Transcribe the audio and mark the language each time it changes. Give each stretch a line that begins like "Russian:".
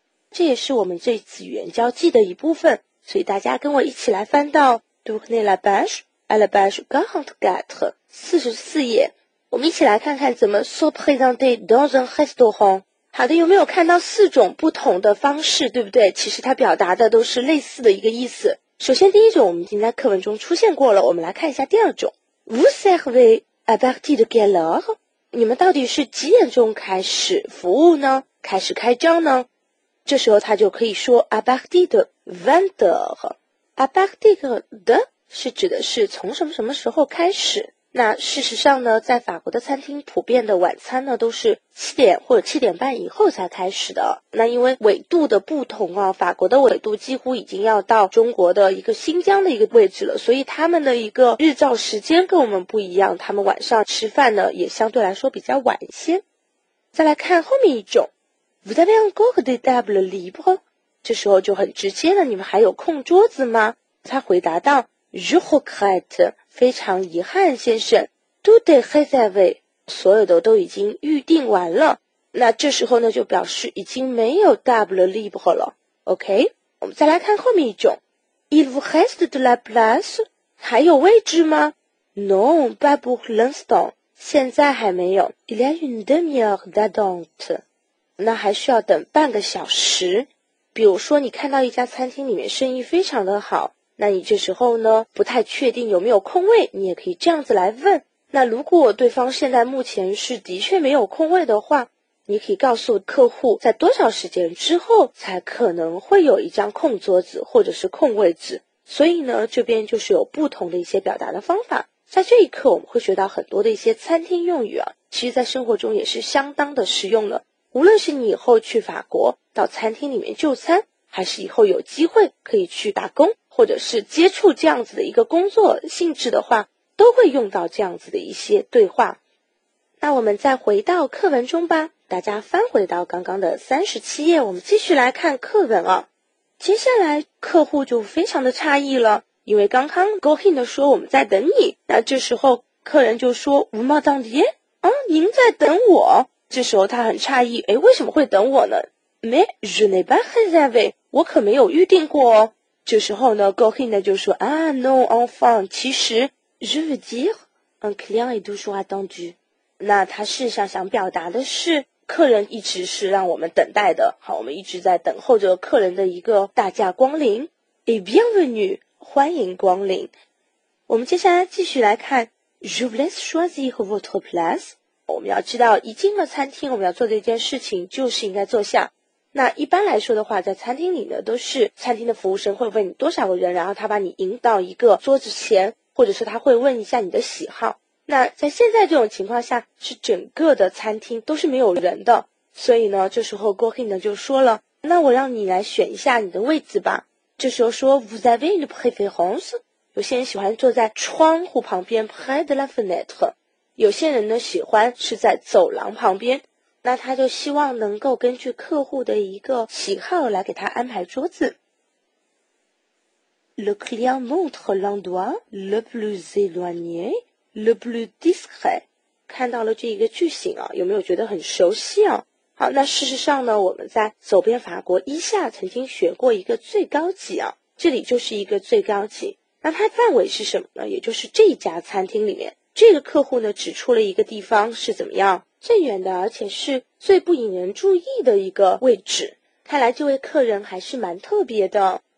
Chinese: 这也是我们这次语言交际的一部分，所以大家跟我一起来翻到 44页，我们一起来看看怎么
French: se présenter dans un restaurant。
Chinese: 好的，有没有看到四种不同的方式，对不对？其实它表达的都是类似的一个意思。首先第一种我们已经在课文中出现过了，我们来看一下第二种。
French: Vous servez à partir de quelle heure？
Chinese: 你们到底是几点钟开始服务呢？开始开张呢？这时候他就可以说
French: à partir de 20 heures。 à partir de
Chinese: 是指的是从什么什么时候开始。那事实上呢，在法国的餐厅普遍的晚餐呢都是七点或者七点半以后才开始的。那因为纬度的不同啊，法国的纬度几乎已经要到中国的一个新疆的一个位置了，所以他们的一个日照时间跟我们不一样，他们晚上吃饭呢也相对来说比较晚一些。再来看后面一种，
French: Vous avez encore des tables libres？
Chinese: 这时候就很直接了，你们还有空桌子吗？他回答道，
French: Je regrette，
Chinese: 非常遗憾先生，
French: tout est réservé，
Chinese: 所有的都已经预定完了。那这时候呢就表示已经没有 table libre 了。 OK， 我们再来看后面一种，
French: il vous reste de la place，
Chinese: 还有位置吗？
French: non pas pour l'instant，
Chinese: 现在还没有。
French: il y a une demi-heure d'attente，
Chinese: 那还需要等半个小时。比如说你看到一家餐厅里面生意非常的好，那你这时候呢不太确定有没有空位，你也可以这样子来问。那如果对方现在目前是的确没有空位的话，你可以告诉客户在多少时间之后才可能会有一张空桌子或者是空位置。所以呢这边就是有不同的一些表达的方法，在这一课我们会学到很多的一些餐厅用语啊，其实在生活中也是相当的实用的。无论是你以后去法国到餐厅里面就餐，还是以后有机会可以去打工，或者是接触这样子的一个工作性质的话，都会用到这样子的一些对话。那我们再回到课文中吧，大家翻回到刚刚的37页，我们继续来看课文啊。接下来客户就非常的诧异了，因为刚刚 Gohin 的说我们在等你，那这时候客人就说
French: Vous m'attendiez？
Chinese: 您在等我？这时候他很诧异，诶，为什么会等我呢？
French: Mais je n'ai pas réservé，
Chinese: 我可没有预定过哦。这时候呢 Gohin 就说啊
French: non enfin，
Chinese: 其实
French: je veux dire un client est toujours attendu，
Chinese: 那他事实上想表达的是客人一直是让我们等待的，好，我们一直在等候着客人的一个大驾光临。
French: et bienvenue，
Chinese: 欢迎光临。我们接下来继续来看
French: je vous laisse choisir votre place，
Chinese: 我们要知道一进了餐厅我们要做的一件事情就是应该坐下。那一般来说的话，在餐厅里呢都是餐厅的服务生会问你多少个人，然后他把你引到一个桌子前，或者是他会问一下你的喜好。那在现在这种情况下是整个的餐厅都是没有人的，所以呢这时候 Gohin 呢就说了，那我让你来选一下你的位置吧。这时候说
French: Vous avez une préférence，
Chinese: 有些人喜欢坐在窗户旁边
French: près de la fenêtre，
Chinese: 有些人呢喜欢是在走廊旁边。那他就希望能够根据客户的一个喜好来给他安排桌子。
French: Le client montre l'endroit le plus éloigné, le plus discret。
Chinese: 看到了这一个句型啊，有没有觉得很熟悉啊？好，那事实上呢我们在走遍法国一下曾经学过一个最高级啊，这里就是一个最高级。那它范围是什么呢？也就是这一家餐厅里面，这个客户呢指出了一个地方是怎么样最远的，而且是最不引人注意的一个位置，看来这位客人还是蛮特别的。